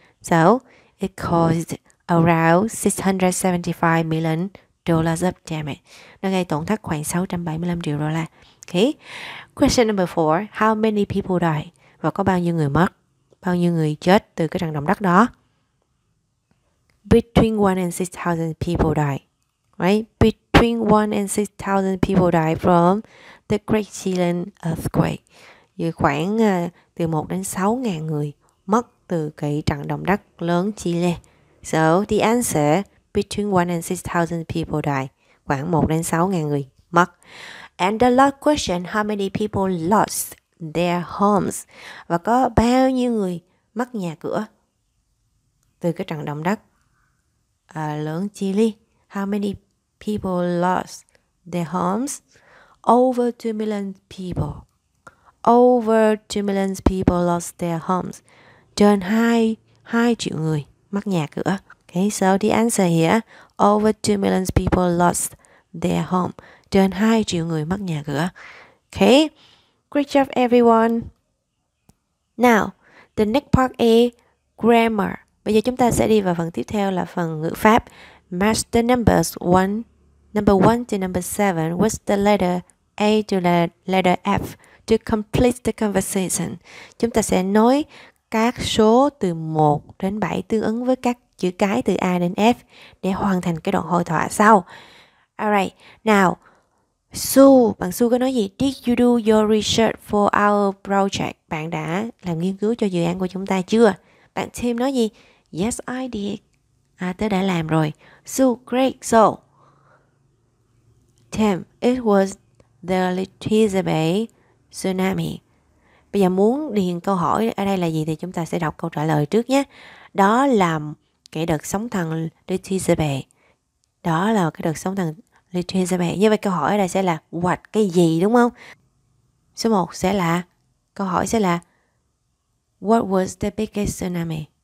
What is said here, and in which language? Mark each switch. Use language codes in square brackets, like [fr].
[en] So, it caused around 675 million dollars of damage. [vi] Nó gây tổn thất khoảng 675 triệu đô la. Okay. [en] Question number 4, how many people died? [vi] Và có bao nhiêu người mất? Bao nhiêu người chết từ cái trận động đất đó? [en] Between 1 and 6,000 people died. Right? Between 1 and 6,000 people died from the Great Chilean earthquake. [vi] Vì khoảng từ 1 đến 6.000 người mất từ cái trận động đất lớn Chile. [en] So the answer, between 1 and 6,000 people died. [vi] Khoảng 1 đến 6.000 người mất. [en] And the last question, how many people lost their homes? [vi] Và có bao nhiêu người mất nhà cửa từ cái trận động đất lớn Chile? [en] How many people lost their homes? Over 2 million people. Over 2 million people lost their homes. [vi] Trên 2 triệu người mất nhà cửa. [en] Okay, so the answer here, over 2 million people lost their home. [vi] Trên 2 triệu người mất nhà cửa. Okay, [en] great job everyone. Now, the next part is grammar. [vi] Bây giờ chúng ta sẽ đi vào phần tiếp theo là phần ngữ pháp. [en] Match the numbers number 1 to number 7 with the letter A to the letter F to complete the conversation. [vi] Chúng ta sẽ nói các số từ 1 đến 7 tương ứng với các chữ cái từ A đến F để hoàn thành cái đoạn hội thoại sau. [en] Alright, now, [vi] Sue, bạn Sue có nói gì? [en] Did you do your research for our project? [vi] Bạn đã làm nghiên cứu cho dự án của chúng ta chưa? Bạn Tim nói gì? [en] Yes, I did. [vi] À, tớ đã làm rồi. Sue, great. [en] So, Tim, it was the Letizia Bay tsunami. [vi] Bây giờ muốn điền câu hỏi ở đây là gì thì chúng ta sẽ đọc câu trả lời trước nhé. Đó là cái đợt sóng thần Letizia Bay. Đó là cái đợt sóng thần Letizia Bay. Như vậy câu hỏi ở đây sẽ là what, cái gì, đúng không? Số 1 sẽ là, câu hỏi sẽ là [en] what was the biggest tsunami?